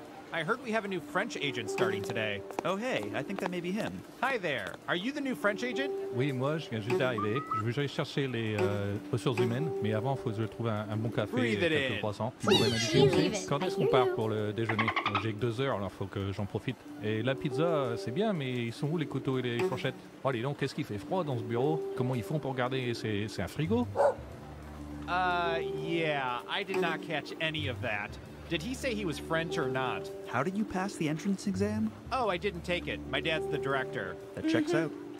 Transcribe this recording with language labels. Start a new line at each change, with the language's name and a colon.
English: I heard we have a new French agent starting today. Oh, hey, I think that may be him. Hi there. Are you the new French agent?
French: Oui, moi, je viens juste d'arriver. Je vais aller chercher les ressources humaines, mais avant, il faut que je trouve un bon café et quelques croissants. Quand est-ce qu'on part pour le déjeuner? J'ai que 2 heures, alors il faut que j'en profite. Et la pizza, c'est bien, mais ils sont où les couteaux et les fourchettes? Allez, donc, qu'est-ce qu'il fait froid dans ce bureau? Comment ils font pour garder? C'est un frigo?
English: Yeah, I did not catch any of that. Did he say he was French or not? How did you pass the entrance exam? Oh, I didn't take it. My dad's the director. That checks out.